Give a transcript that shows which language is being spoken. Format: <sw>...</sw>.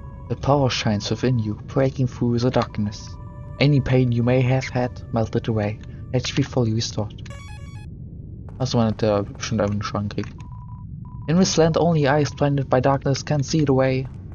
<en>The power shines within you, breaking through the darkness. Any pain you may have had melted away. HP fully restored.</en> <de>Also man hat ja bestimmt einfach einen Schrank gekriegt.</de> <en>In this land only eyes blinded by darkness can see the way.</en>